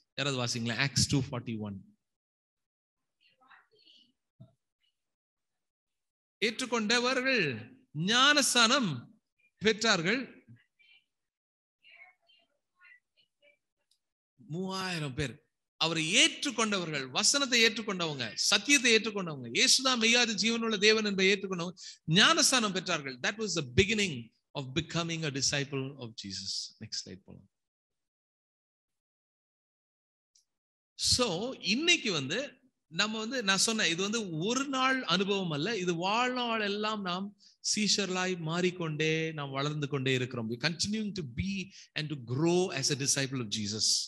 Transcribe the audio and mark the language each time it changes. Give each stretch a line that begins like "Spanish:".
Tamil: யாராவது வாசிங்களா Acts 2:41, ஏற்றுக்கொண்டவர்கள் ஞானஸ்தானம் பெற்றார்கள். 3000 பேர் அவரை ஏற்றுக்கொண்டவர்கள், வசனத்தை ஏற்றுக்கொண்டவங்க, சத்தியத்தை ஏற்றுக்கொண்டவங்க, இயேசுதான் மெய்யாத ஜீவனுள்ள தேவன் என்பதை ஏற்றுக்கொண்டவங்க ஞானஸ்தானம் பெற்றார்கள்.
English: That was the beginning of becoming a disciple of Jesus. Next slide போலாம்.
Tamil: So இன்னைக்கு வந்து நம்ம வந்து, நான் சொன்னேன், இது வந்து ஒரு நாள் அனுபவம் அல்ல, இது வாழ்நாள் எல்லாம் நாம் சீஷர்களாய் மாறிக்கொண்டே நாம் வளர்ந்து கொண்டே இருக்கிறோம்.
English: We continuing to be and to grow as a disciple of Jesus.